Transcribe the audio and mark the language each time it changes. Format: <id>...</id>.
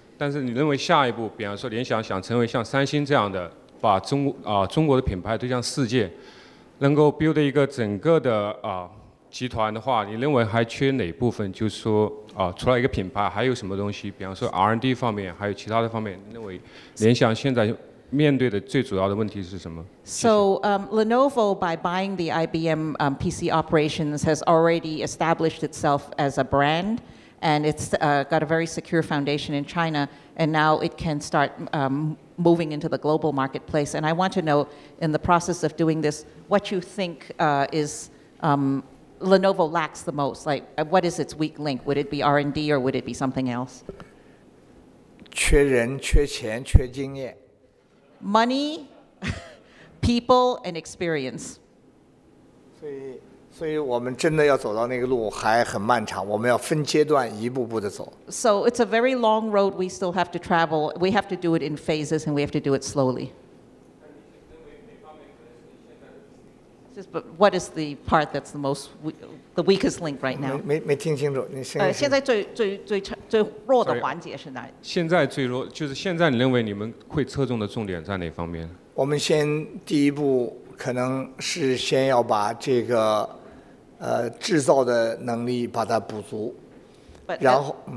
<zh>但是你认为下一步，比方说联想想成为像三星这样的，把中国的品牌推向世界，能够 build 一个整个的集团的话，你认为还缺哪部分？就是说除了一个品牌，还有什么东西？比方说 R&D 方面，还有其他的方面，你认为联想现在面对的最主要的问题是什么？</zh> <en>So Lenovo, by buying the IBM PC operations, has already established itself as a brand, and it's got a very secure foundation in China, and now it can start moving into the global marketplace. And I want to know, in the process of doing this, what you think Lenovo lacks the most? Like, what is its weak link? Would it be R&D or would it be something else?</en> <zh>缺人、缺钱、缺经验。</zh> <en>Money, people, and experience.</en> <zh>所以我们真的要走到那个路还很漫长，我们要分阶段一步步的走。</zh> <en>So it's a very long road we still have to travel. We have to do it in phases and we have to do it slowly. But what is the part that's the weakest link right now?</en> <zh>没听清楚，你声音。现在最弱的环节是哪？现在最弱就是现在，你认为你们会侧重的重点在哪方面？我们先第一步可能是先要把这个制造的能力把它补足。</zh> <en>But</en> <zh>然后</zh>